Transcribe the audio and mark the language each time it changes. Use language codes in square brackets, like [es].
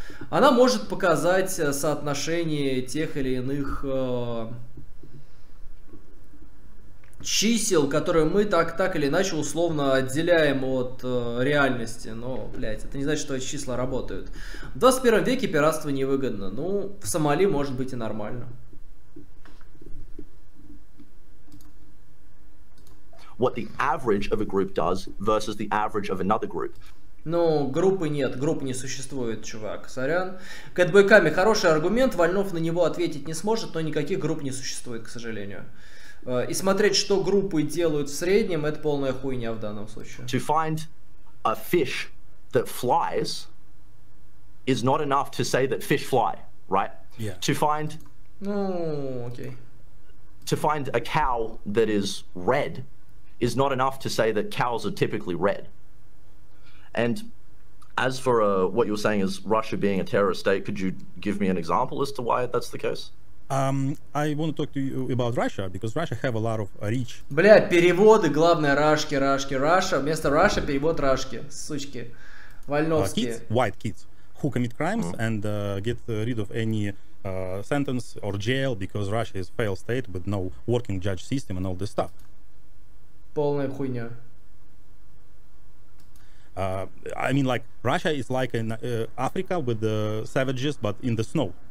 [ru] Она может показать соотношение тех или иных чисел, которые мы так или иначе условно отделяем от реальности. Но, блядь, это не значит, что эти числа работают. В 21 веке пиратство невыгодно. Ну, в Сомали может быть и нормально. [en] What the average of a group does versus the average of another group. [ru] Ну, группы нет, групп не существует, чувак, сорян. Кэтбойками хороший аргумент, Вольнов на него ответить не сможет, но никаких групп не существует, к сожалению. И смотреть, что группы делают в среднем, это полная хуйня в данном случае. [en] To find a fish that flies is not enough to say that fish fly, right? Yeah. To find... [ru] Ну, окей. [en] To find a cow that is red is not enough to say that cows are typically red. And as for what you're saying is Russia being a terrorist state, could you give me an example as to why that's the case? I want to talk to you about Russia, because Russia have a lot of rich... [ru] Бля, переводы, главное, рашки, рашки, Russia. Вместо Russia перевод рашки, сучки. Вольновские. [en] Kids, white kids, who commit crimes and get rid of any sentence or jail, because Russia is a failed state with no working judge system and all this stuff. [ru] Полная хуйня. [en] I mean, like, Russia is like in Africa with the savages, but in the snow.